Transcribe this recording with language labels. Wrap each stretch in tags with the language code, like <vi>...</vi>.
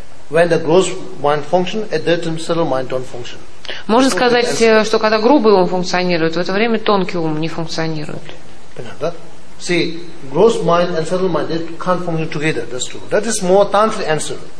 <en>When the gross mind function, at that time subtle mind don't function.</en> <ru>Можно сказать, что когда грубый ум функционирует, в это время тонкий ум не функционирует.</ru> <en>See, gross mind and subtle mind they can't function together. That's true. That is more tantric answer.</en>